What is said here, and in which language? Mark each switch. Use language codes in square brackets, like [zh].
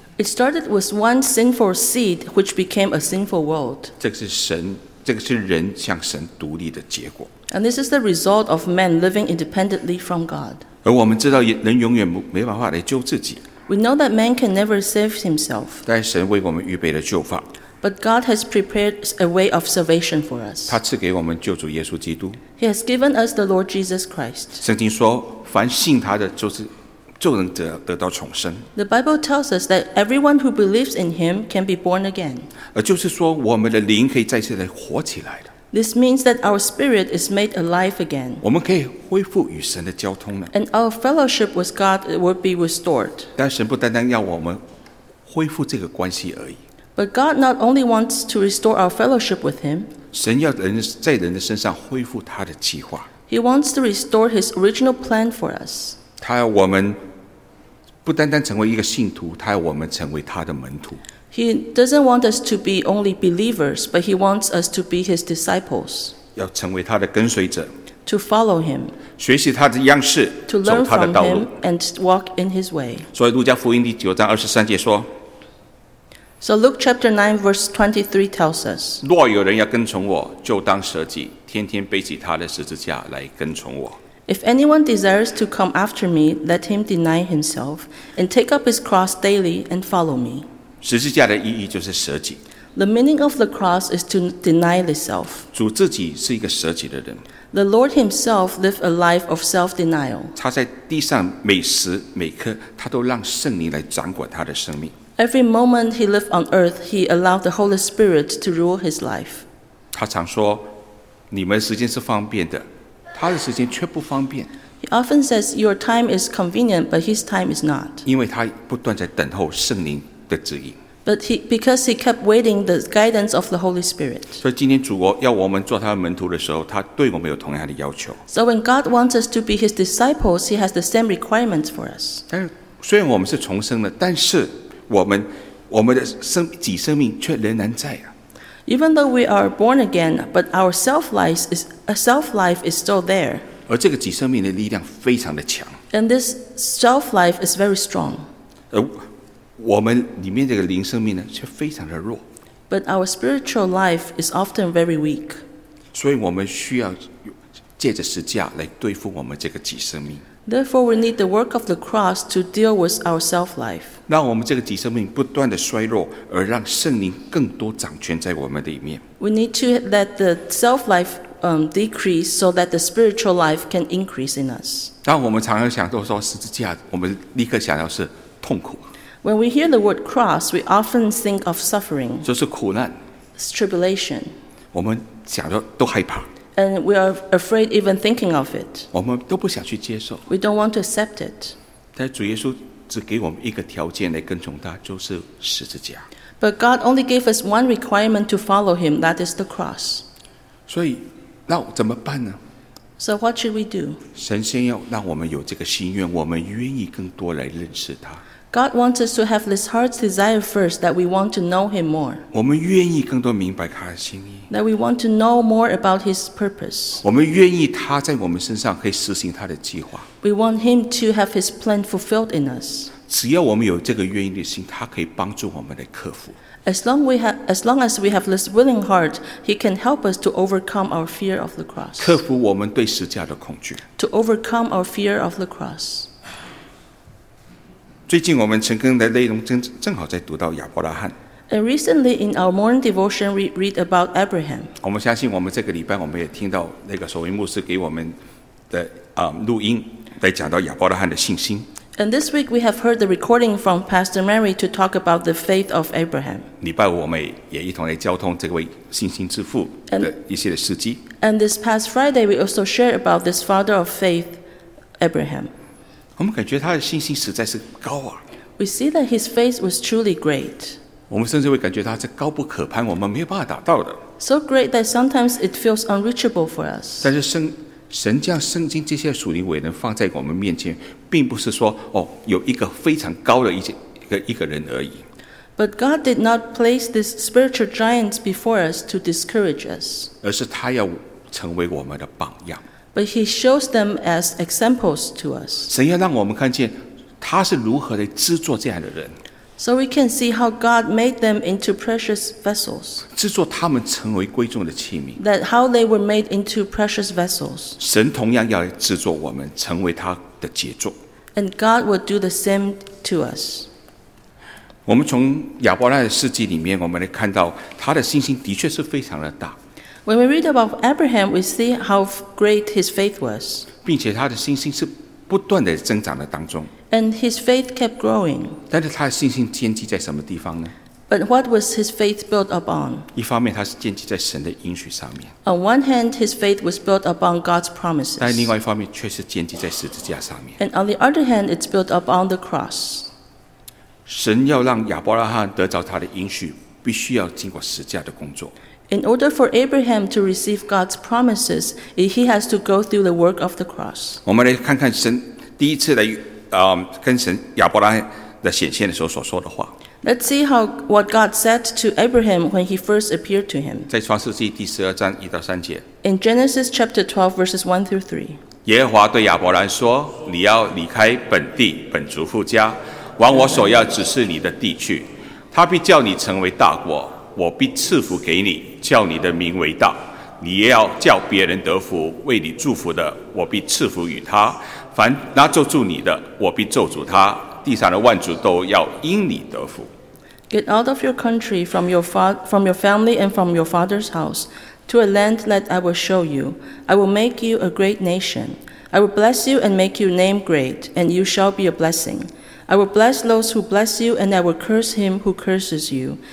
[en] It started with one sinful seed, which became a sinful world. [zh] 这个是人向神独立的结果。 [en] And this is the result of man living independently from God. [zh] 而我们知道人永远没办法来救自己。 [en] We know that man can never save himself. [zh] 但神为我们预备了救法。 [en] But God has prepared a way of salvation for us. [zh] 他赐给我们救主耶稣基督。 [en] He has given us the Lord Jesus Christ. [zh] 圣经说，凡信他的就是就能 得到重生。 [en] The Bible tells us that everyone who believes in him can be born again. [zh] 而就是说我们的灵可以再次来活起来的。 [en] This means that our spirit is made alive again. [zh] 我们可以恢复与神的交通了。 [en] And our fellowship with God will be restored. [zh] 但神不单单要我们恢复这个关系而已。 [en] But God not only wants to restore our fellowship with him. [zh] 神要人在人的身上恢复他的计划。 [en] He wants to restore his original plan for us. [zh] 他要我们不单单成为一个信徒，他要我们成为他的门徒。 [en] He doesn't want us to be only believers, but he wants us to be his disciples. [zh] 要成为他的跟随者。 [en] To follow him. [zh] 学习他的样式，走他的道路。 [en] To learn from him and walk in his way. [zh] 所以路加福音第九章二十三节说。 [en] So Luke chapter 9 verse 23 tells us. [zh] 若有人要跟从我，就当舍己，天天背起他的十字架来跟从我。 [en] If anyone desires to come after me, let him deny himself and take up his cross daily and follow me. [zh] 十字架的意义就是舍己。 [en] The meaning of the cross is to deny the self. [zh] 主自己是一个舍己的人。 [en] The Lord himself lived a life of self-denial. [zh] 他在地上每时每刻，他都让圣灵来掌管他的生命。 [en] Every moment he lived on earth, he allowed the Holy Spirit to rule his life. [zh] 他常说，你们时间是方便的。他的时间却不方便。 [en] He often says your time is convenient, but his time is not. [zh] 因为他不断在等候圣灵的指引。 [en] But because he kept waiting the guidance of the Holy Spirit. [zh] 所以今天主要我们做他的门徒的时候，他对我们有同样的要求。 [en] So when God wants us to be his disciples, he has the same requirements for us. [zh] 但虽然我们是重生了，但是我们的生命却仍然在啊。 [en] Even though we are born again, but our self-life is still there. [zh] 而这个己生命的力量非常的强。 [en] And this self-life is very strong. [zh] 而我们里面这个灵生命呢，却非常的弱。 [en] But our spiritual life is often very weak. [zh] 所以我们需要借着十字架来对付我们这个己生命。 [en] Therefore, we need the work of the cross to deal with our self-life. [zh] 让我们这个己生命不断的衰弱，而让圣灵更多掌权在我们的里面。 [en] We need to let the self-life decrease so that the spiritual life can increase in us. [zh] 当我们常常想都说十字架，我们立刻想到是痛苦。 [en] When we hear the word cross, we often think of suffering. [zh] 就是苦难。 [en] It's tribulation. [zh] 我们想到都害怕。 [en] And we are afraid even thinking of it. [zh] 我们都不想去接受。 [en] We don't want to accept it. [zh] 但主耶稣只给我们一个条件来跟从他，就是十字架。 [en] But God only gave us one requirement to follow him, that is the cross. [zh] 所以，那怎么办呢？ [en] So what should we do? [zh] 神先要让我们有这个心愿，我们愿意更多来认识他。 [en] God wants us to have this heart's desire first, that we want to know him more. [zh] 我们愿意更多明白他的心意。 [en] That we want to know more about his purpose. [zh] 我们愿意他在我们身上可以实行他的计划。 [en] We want him to have his plan fulfilled in us. [zh] 只要我们有这个愿意的心，他可以帮助我们来克服。 [en] As long as we have this willing heart, he can help us to overcome our fear of the cross. [zh] 克服我们对十字架的恐惧。 [en] To overcome our fear of the cross. [zh] 最近我们成功的内容正好在读到亚伯拉罕。 [en] And recently in our morning devotion, we read about Abraham. [zh] 我们相信我们这个礼拜我们也听到那个守卫牧师给我们的录音来讲到亚伯拉罕的信心。 [en] And this week we have heard the recording from Pastor Mary to talk about the faith of Abraham. [zh] 礼拜五我们也一同来交通这位信心之父的一些的事迹。 [en] And this past Friday we also shared about this father of faith, Abraham. [zh] 我们感觉他的信心实在是高啊。 [en] We see that his faith was truly great. [zh] 我们甚至会感觉他是高不可攀，我们没有办法达到的。 [en] So great that sometimes it feels unreachable for us. [zh] 但是神将圣经这些属灵伟人放在我们面前，并不是说哦有一个非常高的一个人而已。 [en] But God did not place these spiritual giants before us to discourage us. [zh] 而是他要成为我们的榜样。 [en] But He shows them as examples to us. [zh] 神要让我们看见他是如何的制作这样的人。 [en] So we can see how God made them into precious vessels. [zh] 制作他们成为贵重的器皿。 [en] That how they were made into precious vessels. [zh] 神同样要制作我们成为他的杰作。 [en] And God will do the same to us. [zh] 我们从亚伯拉罕的事迹里面，我们来看到他的信心的确是非常的大。 [en] When we read about Abraham, we see how great his faith was. [zh] 并且他的信心是不断的增长的当中。 [en] And his faith kept growing. [zh] 但是他的信心建基在什么地方呢？ [en] But what was his faith built upon? [zh] 一方面他是建基在神的应许上面。 [en] On one hand, his faith was built upon God's promises. [zh] 但另外一方面却是建基在十字架上面。 [en] And on the other hand, it's built upon the cross. [zh] 神要让亚伯拉罕得着他的应许，必须要经过十字架的工作。 [en] In order for Abraham to receive God's promises, he has to go through the work of the cross. [zh] 我们来看看神第一次来跟神亚伯拉罕的显现的时候所说的话。 [en] Let's see how what God said to Abraham when He first appeared to him. [zh] 在创世纪第十二章一到三节。 [en] In Genesis chapter 12 verses 1 through 3. [zh] 耶和华对亚伯兰说：“你要离开本地、本族父家，往我所要指示你的地去。他必叫你成为大国，我必赐福给你，叫你的名为大。你也要叫别人得福，为你祝福的，我必赐福与他。” 凡那咒诅你的，我必咒诅他，地上的万族都要因你得福。 [en] Get out of your country, from your family, and from your father's house, to a land that I will show you. I will make you a great nation. I will bless you and make your name great, and you shall be a blessing. I will bless those who bless you, and I will curse him who curses you.